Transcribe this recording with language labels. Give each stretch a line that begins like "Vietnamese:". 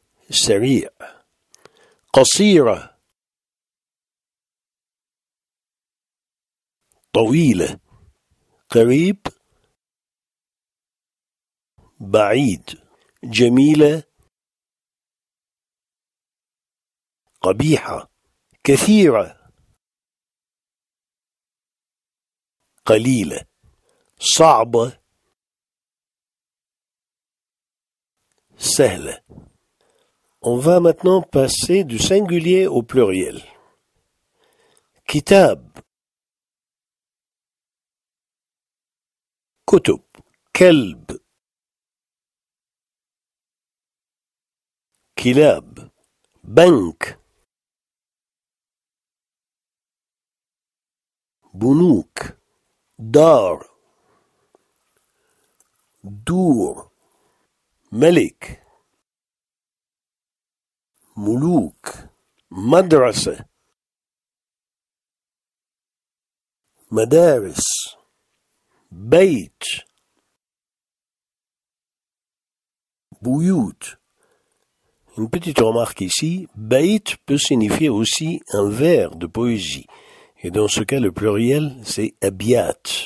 Arabic: سريع قصيرة طويلة قريب بعيد جميلة قبيحة كثيرة قليلة صعبة سهلة.
French: On va maintenant passer du singulier au pluriel.
Arabic: كتاب كتب كلب كلاب بنك بنوك دار دور ملك ملوك مدرسة مدارس بيت بيوت.
French: Une petite remarque ici, بيت peut signifier aussi un vers de poésie. Et dans ce cas, le pluriel, c'est abiat.